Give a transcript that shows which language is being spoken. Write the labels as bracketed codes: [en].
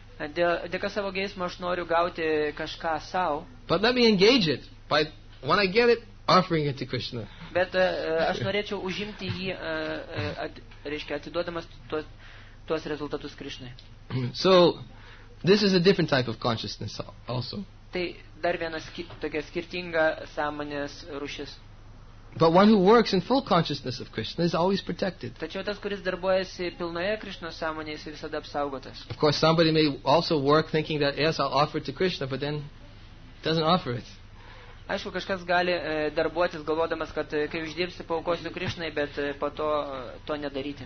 [lt] Dėka savo geismo aš noriu gauti kažką sau. [en] But let me engage it by, when I get it, offering it to Krishna. [lt] Bet aš norėčiau užimti jį, reiškia, atiduodamas tuos rezultatus Krishnai. [en] So, this is a different type of consciousness also. [lt] Tai dar viena tokia skirtinga sąmonės rūšis. [en] But one who works in full consciousness of Krishna is always protected. [lt] Tačiau tas, kuris darbuojasi pilnoje Krishnos sąmonėje, jis visada apsaugotas. [en] Of course, somebody may also work thinking that, yes, I'll offer it to Krishna, but then doesn't offer it. [lt] Aišku, kažkas gali darbuotis galvodamas, kad kai uždirbsi, paukosiu Krishnai, bet po to nedaryti.